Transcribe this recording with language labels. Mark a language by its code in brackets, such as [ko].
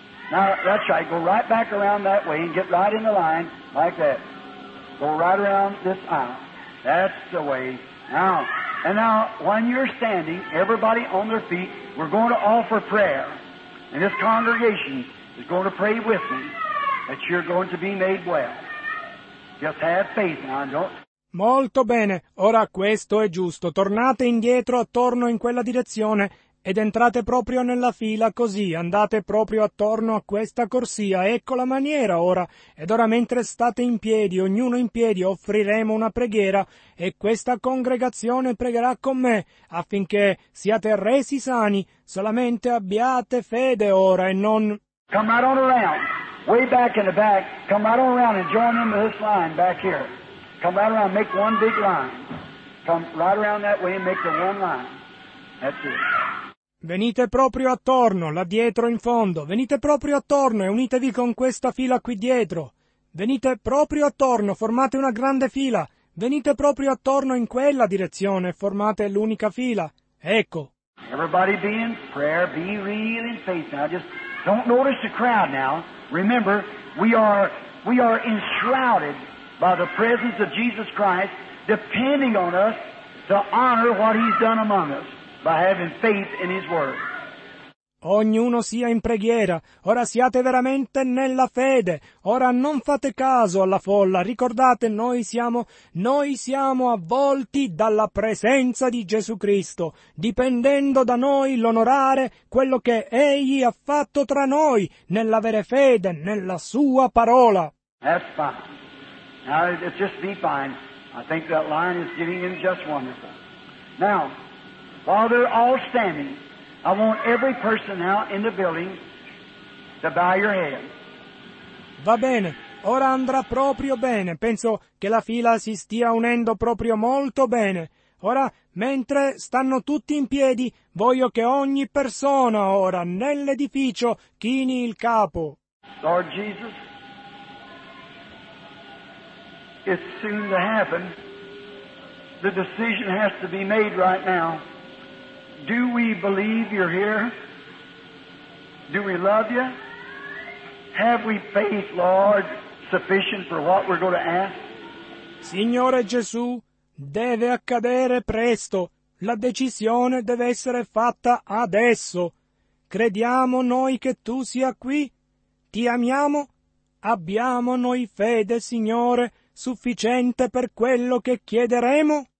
[en] Now, that's right. Go right back around that way and get right in the line, like that. Go right around this aisle. That's the way. Now, and now, when you're standing, everybody on their feet, we're going to offer prayer. And this congregation is going to pray with me that you're going to be made well. Just have faith now, don't... [it] Molto bene, ora questo è giusto. Tornate indietro attorno in quella direzione ed entrate proprio nella fila così. Andate proprio attorno a questa corsia. Ecco la maniera ora. Ed ora mentre state in piedi, ognuno in piedi, offriremo una preghiera e questa congregazione pregherà con me affinché siate resi sani. Solamente abbiate fede ora e non... [en] Come right on around. Way back in the back, come right on around and join in with this line back here. Come right around, make one big line. Come right around that way and make the one line. That's it. [it] Venite proprio attorno, là dietro in fondo. Venite proprio attorno e unitevi con questa fila qui dietro. Venite proprio attorno, formate una grande fila. Venite proprio attorno in quella direzione e formate l'unica fila. Ecco. [en] Everybody be in prayer, be real in faith now. Just don't notice the crowd now. Remember, we are enshrouded by the presence of Jesus Christ, depending on us to honor what He's done among us by having faith in His Word. [it] Ognuno sia in preghiera. Ora siate veramente nella fede. Ora non fate caso alla folla. Ricordate, noi siamo avvolti dalla presenza di Gesù Cristo, dipendendo da noi l'onorare quello che Egli ha fatto tra noi nell'avere fede nella Sua parola. [en] That's fine. Now, it's just be fine. I think that line is getting in just wonderful. Now, while they're all standing, I want every person now in the building to bow your head. [it] Va bene, ora andrà proprio bene. Penso che la fila si stia unendo proprio molto bene. Ora, mentre stanno tutti in piedi, voglio che ogni persona ora nell'edificio chini il capo. [en] Lord Jesus, it's soon to happen. The decision has to be made right now. Do we believe you're here? Do we love you? Have we faith, Lord, sufficient for what we're going to ask? [it] Signore Gesù, deve accadere presto. La decisione deve essere fatta adesso. Crediamo noi che tu sia qui? Ti amiamo? Abbiamo noi fede, Signore, sufficiente per quello che chiederemo?